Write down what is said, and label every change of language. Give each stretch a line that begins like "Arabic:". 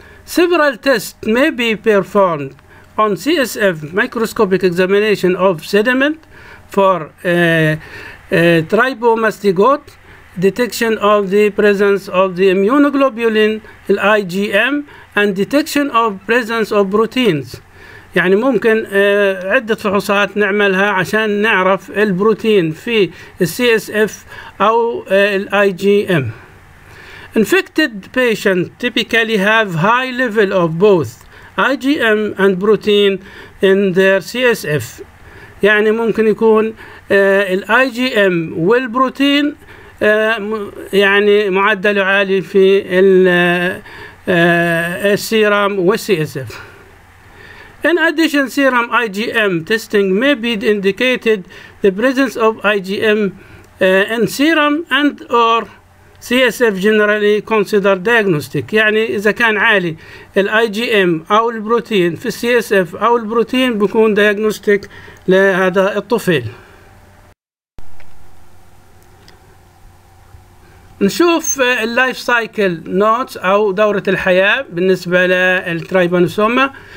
English: Several tests may be performed on CSF microscopic examination of sediment for trypanosomiasis detection of the presence of the immunoglobulin IgM and detection of presence of proteins.
Arabic: يعني ممكن عدة فحوصات نعملها عشان نعرف البروتين في CSF أو IgM.
English: Infected patients typically have high level of both IgM and protein in their CSF.
Arabic: يعني ممكن يكون IgM والبروتين يعني معدل عالي في السيرام والCSF.
English: In addition, serum IgM testing may be indicated the presence of IgM in serum and or CSF generally considered diagnostic.
Arabic: يعني إذا كان عالي IgM أو البروتين في CSF أو البروتين بكون diagnostic لهذا الطفل. نشوف اللايف سايكل نوتس أو دورة الحياة بالنسبة للترايبانوسوما.